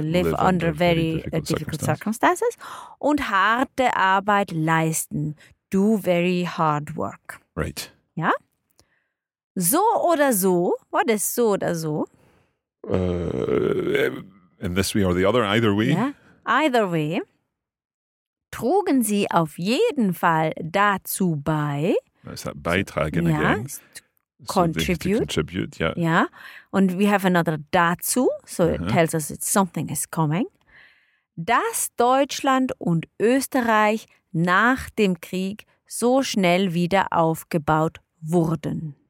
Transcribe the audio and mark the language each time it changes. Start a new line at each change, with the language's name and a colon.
English: live under very difficult circumstances.
German: Und harte Arbeit leisten.
English: Do very hard work. Right.
German: Ja? So oder so?
English: What is
German: so oder so?
English: In this way or the other, either way.
German: Ja?
English: Either way,
German: trugen sie auf jeden Fall dazu bei.
English: Was that beitragen ja, again? Contribute. So contribute, yeah.
German: Ja.
English: And we have another dazu, so uh-huh. it tells us that something is coming.
German: Dass Deutschland und Österreich nach dem Krieg so schnell wieder aufgebaut wurden.